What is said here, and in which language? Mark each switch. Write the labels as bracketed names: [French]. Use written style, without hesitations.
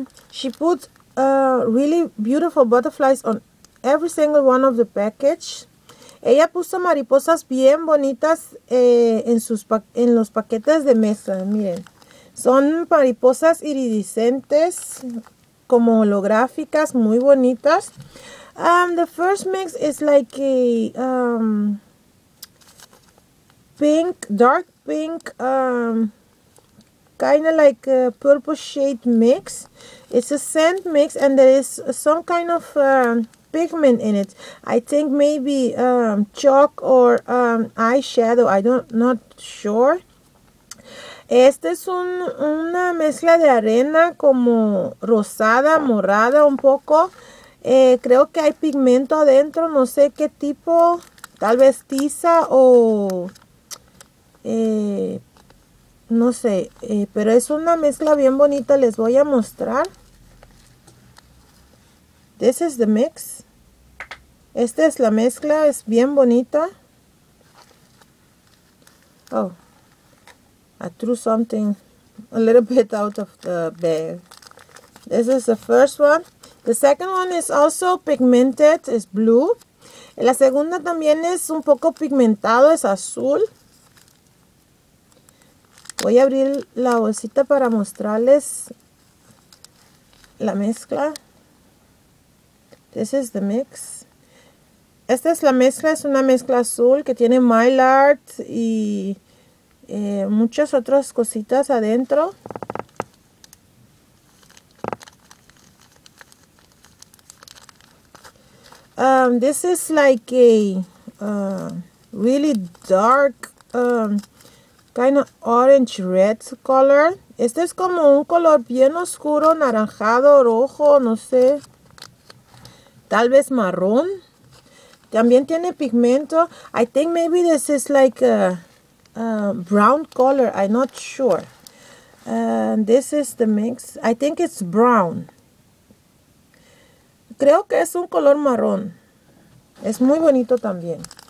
[English] She put really beautiful butterflies on every single one of the package. [Spanish] Ella puso mariposas bien bonitas en los paquetes de mezcla. Miren, son mariposas iridiscentes, como holográficas, muy bonitas. [English] The first mix is like a pink, dark pink, kind of like a purple shade mix. It's a scent mix and there is some kind of pigment in it. I think maybe chalk or eyeshadow, not sure. [Spanish] Este es una mezcla de arena como rosada, morada un poco. Creo que hay pigmento adentro, no sé qué tipo, tal vez tiza o no sé. Pero es una mezcla bien bonita, les voy a mostrar. [English] This is the mix. [Spanish] Esta es la mezcla, es bien bonita. [English] Oh, I threw something a little bit out of the bag. This is the first one. The second one is also pigmented, it's blue. [Spanish] La segunda también es un poco pigmentado, es azul. Voy a abrir la bolsita para mostrarles la mezcla. [English] This is the mix. [Spanish] Esta es la mezcla, es una mezcla azul que tiene mylar y muchas otras cositas adentro. [English] This is like a really dark kind of orange red color. [Spanish] Este es como un color bien oscuro, naranjado, rojo, no sé. Tal vez marrón. También tiene pigmento. [English] I think maybe this is like a brown color. I'm not sure. This is the mix. I think it's brown. [Spanish] Creo que es un color marrón. Es muy bonito también.